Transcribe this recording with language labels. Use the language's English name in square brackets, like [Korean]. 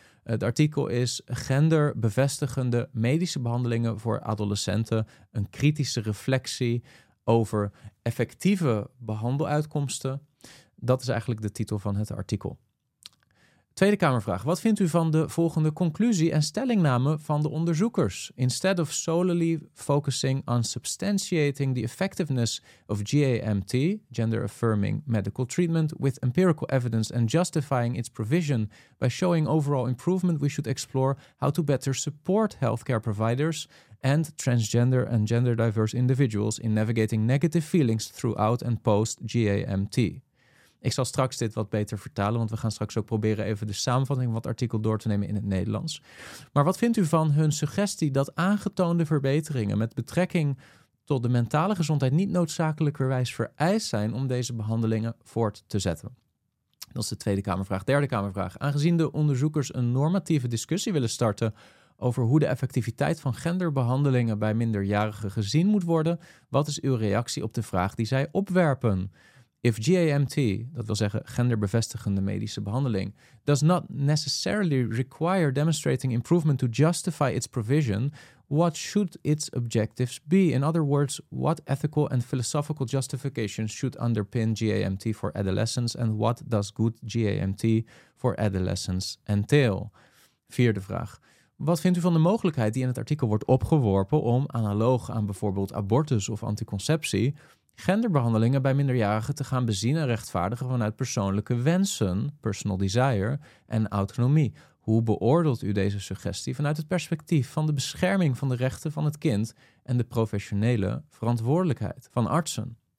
[Dutch] Het artikel is Genderbevestigende medische behandelingen voor adolescenten. Een kritische reflectie over effectieve behandeluitkomsten. Dat is eigenlijk de titel van het artikel. Tweede Kamervraag. Wat vindt u van de volgende conclusie en stellingname van de onderzoekers? [English] Instead of solely focusing on substantiating the effectiveness of GAMT, gender-affirming medical treatment, with empirical evidence and justifying its provision by showing overall improvement, we should explore how to better support healthcare providers and transgender and gender-diverse individuals in navigating negative feelings throughout and post-GAMT. [Dutch] Ik zal straks dit wat beter vertalen, want we gaan straks ook proberen even de samenvatting van het artikel door te nemen in het Nederlands. Maar wat vindt u van hun suggestie dat aangetoonde verbeteringen met betrekking tot de mentale gezondheid niet noodzakelijkerwijs vereist zijn om deze behandelingen voort te zetten? Dat is de Tweede Kamervraag. Derde Kamervraag. Aangezien de onderzoekers een normatieve discussie willen starten over hoe de effectiviteit van genderbehandelingen bij minderjarigen gezien moet worden, wat is uw reactie op de vraag die zij opwerpen? [English] If GAMT, [Dutch] dat wil zeggen genderbevestigende medische behandeling, [English] does not necessarily require demonstrating improvement to justify its provision, what should its objectives be? In other words, what ethical and philosophical justifications should underpin GAMT for adolescents and what does good GAMT for adolescents entail? [Dutch] Vierde vraag. Wat vindt u van de mogelijkheid die in het artikel wordt opgeworpen om analoog aan bijvoorbeeld abortus of anticonceptie genderbehandelingen bij minderjarigen te gaan bezien en rechtvaardigen vanuit persoonlijke wensen, [English] personal desire [Dutch] en autonomie? Hoe beoordeelt u deze suggestie vanuit het perspectief van de bescherming van de rechten van het kind en de professionele verantwoordelijkheid van artsen?